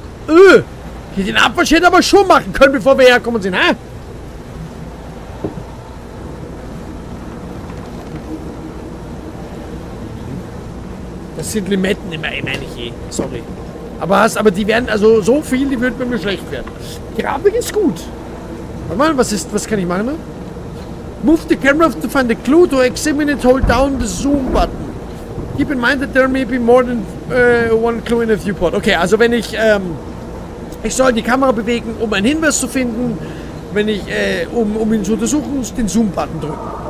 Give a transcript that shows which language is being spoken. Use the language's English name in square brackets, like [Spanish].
[German] Okay, den Abwasch hätte er aber schon machen können, bevor wir herkommen sind, hä? Das sind Limetten, meine ich eh. Sorry. Aber die werden, also so viel, die würden bei mir schlecht werden. Grafik ist gut. Warte mal, was kann ich machen? [English] Move the camera to find a clue to examine it, hold down the zoom button. Keep in mind that there may be more than one clue in a viewport. [German] Okay, also wenn ich, ich soll die Kamera bewegen, um einen Hinweis zu finden, wenn ich, um ihn zu untersuchen, den zoom button drücken.